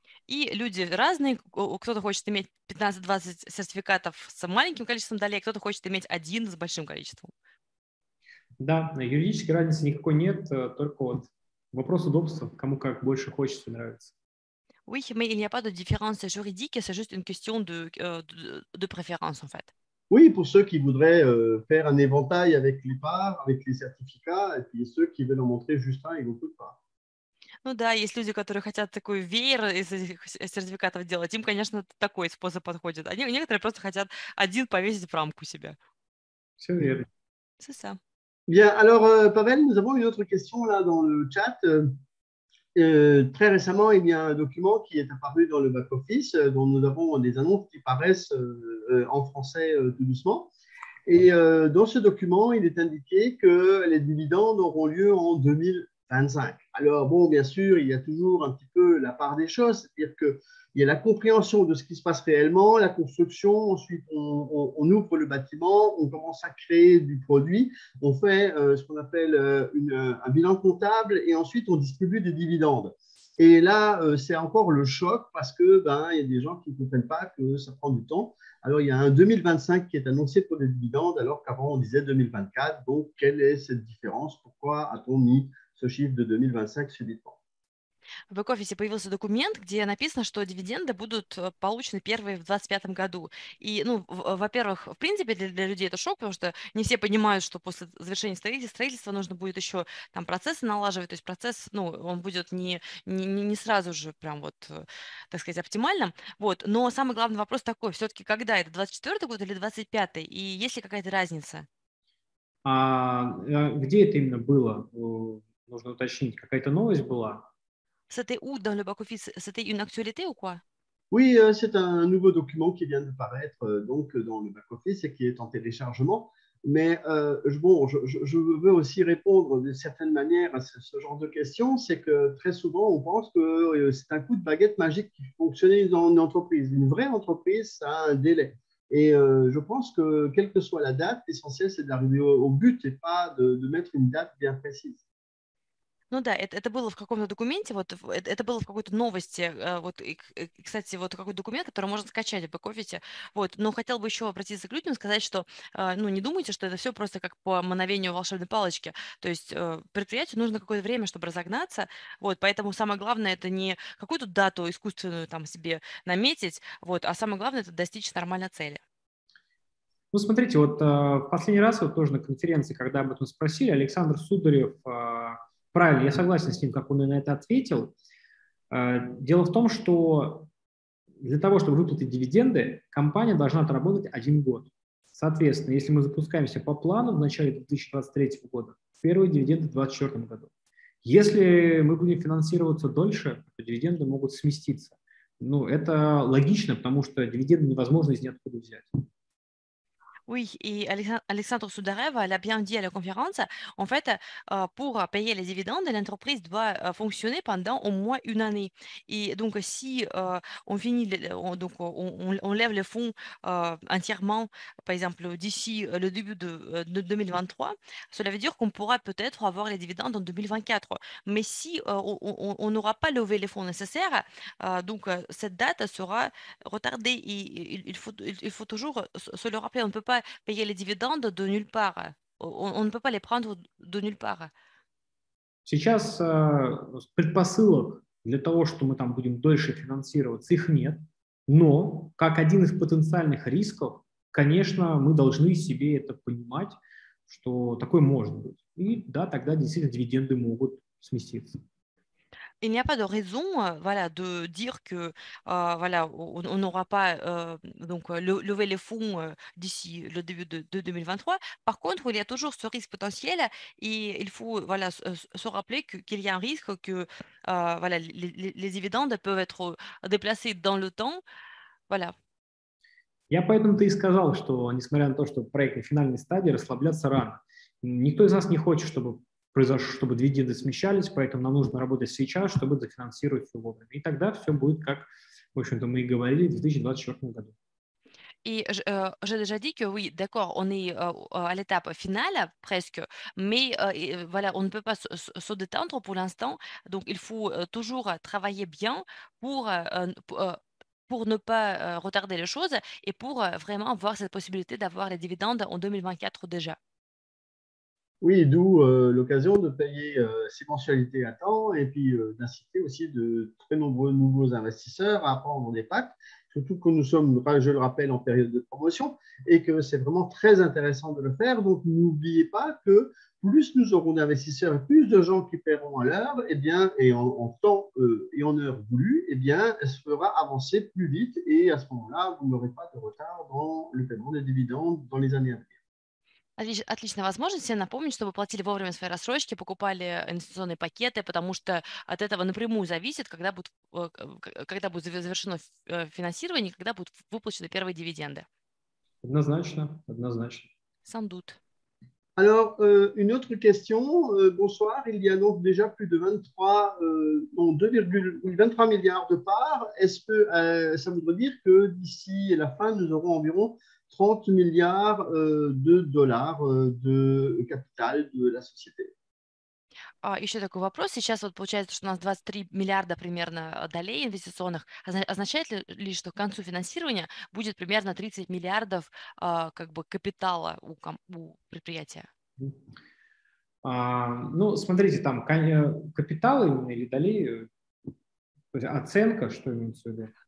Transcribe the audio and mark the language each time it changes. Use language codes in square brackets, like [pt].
[ru] И люди разные. Кто-то хочет иметь 15-20 сертификатов с маленьким количеством долей, кто-то хочет иметь один с большим количеством. Да, юридической разницы никакой нет, только вот вопрос удобства, кому как больше хочется и нравится. [fr] Oui, mais il n'y a pas de différence juridique, c'est juste une question de préférence, en fait. Oui, pour ceux qui voudraient faire un éventail avec les parts, avec les certificats, et puis ceux qui veulent en montrer juste un et beaucoup de parts. [ru] Ну да, есть люди, которые хотят такой веер из этих сертификатов делать. Им, конечно, такой способ подходит. Они некоторые просто хотят один повесить в рамку себя. Все верно. [fr] C'est ça. Bien, alors, Pavel, nous avons une autre question là dans le chat. Très récemment, il y a un document qui est apparu dans le back-office, dont nous avons des annonces qui paraissent en français tout doucement. Et dans ce document, il est indiqué que les dividendes auront lieu en 2025. Alors, bon, bien sûr, il y a toujours un petit peu la part des choses, c'est-à-dire qu'il y a la compréhension de ce qui se passe réellement, la construction, ensuite on ouvre le bâtiment, on commence à créer du produit, on fait ce qu'on appelle un bilan comptable et ensuite on distribue des dividendes. Et là, c'est encore le choc parce que ben, y a des gens qui ne comprennent pas que ça prend du temps. Alors, il y a un 2025 qui est annoncé pour les dividendes, alors qu'avant on disait 2024. Donc, quelle est cette différence? Pourquoi a-t-on mis ce chiffre de 2025 subitement? [ru] В бэк-офисе появился документ, где написано, что дивиденды будут получены первые в 2025 году. И, ну, во-первых, в принципе, для людей это шок, потому что не все понимают, что после завершения строительства нужно будет еще там процессы налаживать. То есть процесс, ну, он будет не сразу же прям вот, так сказать, оптимальным. Вот. Но самый главный вопрос такой, все-таки когда это, 2024 год или 2025? И есть ли какая-то разница? А где это именно было? Нужно уточнить, какая-то новость была? [fr] C'était où dans le back-office? C'était une actualité ou quoi? Oui, c'est un nouveau document qui vient de paraître donc dans le back office et qui est en téléchargement. Mais je veux aussi répondre d'une certaine manière à ce genre de questions. C'est que très souvent, on pense que c'est un coup de baguette magique qui fonctionne dans une entreprise. Une vraie entreprise, ça a un délai. Et je pense que quelle que soit la date, l'essentiel, c'est d'arriver au but et pas de mettre une date bien précise. [ru] Ну да, это было в каком-то документе, вот это было в какой-то новости, вот, и, кстати, вот какой документ, который можно скачать в Бэк-Офисе, вот, но хотел бы еще обратиться к людям и сказать, что, ну, не думайте, что это все просто как по мановению волшебной палочки, то есть предприятию нужно какое-то время, чтобы разогнаться, вот, поэтому самое главное это не какую-то дату искусственную там себе наметить, вот, а самое главное это достичь нормальной цели. Ну, смотрите, вот в последний раз вот тоже на конференции, когда об этом спросили, Александр Сударев, правильно, я согласен с ним, как он и на это ответил. Дело в том, что для того, чтобы выплатить дивиденды, компания должна отработать один год. Соответственно, если мы запускаемся по плану в начале 2023 года, первые дивиденды в 2024 году. Если мы будем финансироваться дольше, то дивиденды могут сместиться. Ну, это логично, потому что дивиденды невозможно из ниоткуда взять. [fr] Oui, et Alexandre Soudarev l'a bien dit à la conférence, en fait, pour payer les dividendes, l'entreprise doit fonctionner pendant au moins une année. Et donc, si on finit, donc on lève le fonds entièrement, par exemple, d'ici le début de 2023, cela veut dire qu'on pourra peut-être avoir les dividendes en 2024. Mais si on n'aura pas levé les fonds nécessaires, donc cette date sera retardée. Et il faut toujours se le rappeler un peu. Pas payer les dividendes de nulle part. On ne peut pas les prendre de nulle part. [ru] Сейчас предпосылок для того, что мы там будем дольше финансироваться, их нет. Но как один из потенциальных рисков, конечно, мы должны себе это понимать, что такое может быть. И да, тогда действительно дивиденды могут сместиться. [fr] Il n'y a pas de raison, voilà, de dire que, voilà, on n'aura pas donc levé les fonds d'ici le début de 2023. Par contre, il y a toujours ce risque potentiel et il faut, voilà, se rappeler qu'il y a un risque que, voilà, les dividendes peuvent être déplacés dans le temps, voilà. [ru] Я поэтому-то и сказал, что несмотря на то, что проект на финальной стадии, расслабляться рано. Никто из нас не хочет, чтобы произошло, чтобы дивиденды смещались, поэтому нам нужно работать сейчас, чтобы зафинансировать все вовремя. И тогда все будет, как, в общем-то, мы и говорили, в 2024 году. И уже [fr] déjà dit que oui, d'accord, on est à l'étape finale presque, mais voilà, on ne peut pas se détendre pour l'instant, donc il faut toujours travailler bien pour ne pas retarder les choses et pour vraiment avoir cette possibilité d'avoir les dividendes en 2024 déjà. Oui, d'où l'occasion de payer ses mensualités à temps et puis d'inciter aussi de très nombreux nouveaux investisseurs à prendre des packs, surtout que nous sommes, je le rappelle, en période de promotion et que c'est vraiment très intéressant de le faire. Donc, n'oubliez pas que plus nous aurons d'investisseurs et plus de gens qui paieront à l'heure, eh bien, et en temps et en heure voulue, eh bien, elle se fera avancer plus vite et à ce moment-là, vous n'aurez pas de retard dans le paiement des dividendes dans les années à venir. [ru] Отличная возможность. Я напомню, чтобы платили вовремя свои рассрочки, покупали инвестиционные пакеты, потому что от этого напрямую зависит, когда будет завершено финансирование, когда будут выплачены первые дивиденды. Однозначно, однозначно. [fr] Sans doute. Alors, une autre question. Bonsoir. Il y a donc déjà plus de 23 milliards de parts. Est-ce que ça voudrait dire que d'ici la fin, nous aurons environ 30 milliards de dollars de capital de la société. [ru] Еще такой вопрос. Сейчас вот получается, что у нас 23 миллиарда примерно долей инвестиционных. Означает ли, что к концу финансирования будет примерно 30 миллиардов как бы капитала у предприятия? Ну, смотрите, там капитал или долей, оценка, что имеется в виду?